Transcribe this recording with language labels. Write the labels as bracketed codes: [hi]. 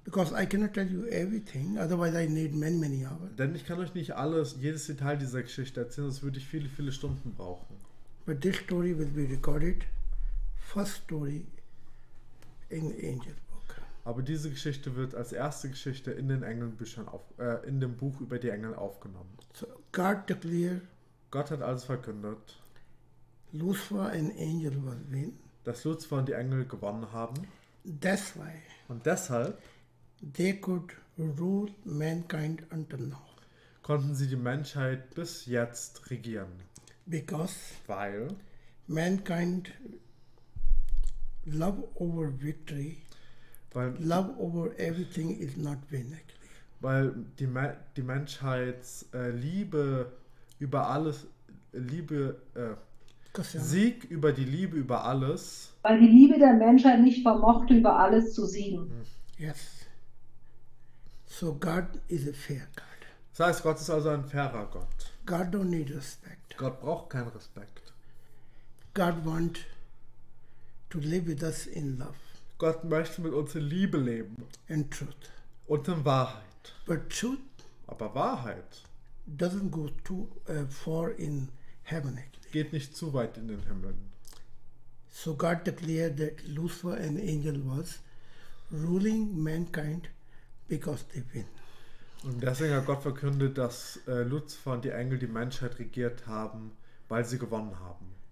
[en] Because I cannot tell you everything, otherwise I need many, many hours. [de] Denn ich kann euch nicht alles, jedes Detail dieser Geschichte erzählen, sonst würde ich viele, viele Stunden brauchen. [en] But this story will be recorded, first story in the angel book. [de] Aber diese Geschichte wird als erste Geschichte in den Engelbüchern in dem Buch über die Engel aufgenommen. [en] So God declared, [de] Gott hat alles verkündet. [en] Lucifer and angel will win. [de] Dass Lucifer und die Engel gewonnen haben. [en] That's why. [de] Und deshalb. [en] They could rule mankind until now. [de] Konnten sie die Menschheit bis jetzt regieren. [en] Because. [de] Weil. [en] Mankind. Love over victory. [de] Weil. [en] Love over everything is not win actually. [de] Weil die Menschheits Liebe über alles Liebe. Sieg über die Liebe über alles. Weil die Liebe der Menschheit nicht vermochte, über alles zu siegen. [en] Yes. So God is a fair God. [de] Das heißt, Gott ist also ein fairer Gott. [en] God don't need respect. [de] Gott braucht keinen Respekt. [en] God want to live with us in love. [de] Gott möchte mit uns in Liebe leben. [en] In truth. [de] Und in Wahrheit. [en] But truth. [de] Aber Wahrheit. [en] Doesn't go too far in heaven. Actually. [de] Geht nicht zu weit in den Himmel. [en] So God declared that Lucifer, an angel, was ruling mankind because they win. [de] Und deswegen hat Gott verkündet, dass Lucifer und die Engel die Menschheit regiert haben, weil sie gewonnen haben.